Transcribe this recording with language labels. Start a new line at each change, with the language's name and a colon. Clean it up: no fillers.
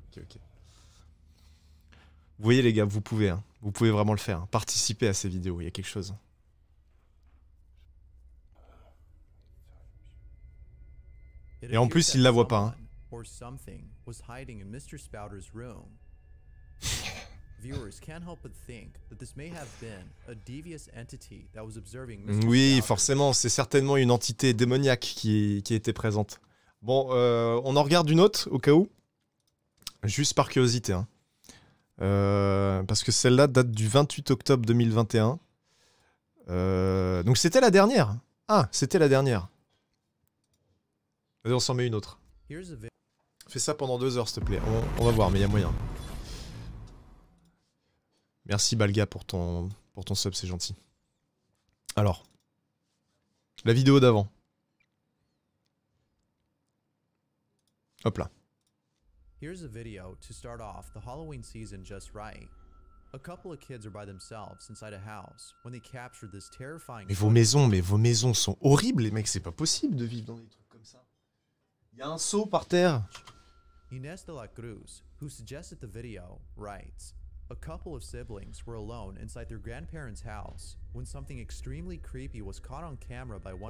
French: Vous voyez, les gars, vous pouvez, hein, vous pouvez vraiment le faire, hein, participer à ces vidéos, il y a quelque chose. Et en plus, il la voit pas, hein.
English: Or something was hiding in Mr. Spouter's room. Viewers can't help but think that this may have been a devious entity that was observing Mr.
French: Oui, forcément, c'est certainement une entité démoniaque qui était présente. Bon, on en regarde une autre au cas où, juste par curiosité, hein. Parce que celle-là date du 28 octobre 2021. Donc c'était la dernière. Ah, c'était la dernière. Vas-y, on s'en met une autre. Fais ça pendant 2 heures, s'il te plaît. On va voir, mais il y a moyen. Merci, Balga, pour ton sub, c'est gentil. Alors, la vidéo d'avant. Hop là.
English: Here's a video to start off the Halloween season just right. A couple of kids are by themselves inside a house when they captured this terrifying...
French: Mais vos maisons sont horribles, les mecs. C'est pas possible de vivre dans des trucs comme ça. Il y a un seau par terre.
English: Inés de la Cruz, who suggested the video, writes, a couple of siblings were alone inside their grandparents' house when something extremely creepy was caught on camera by one.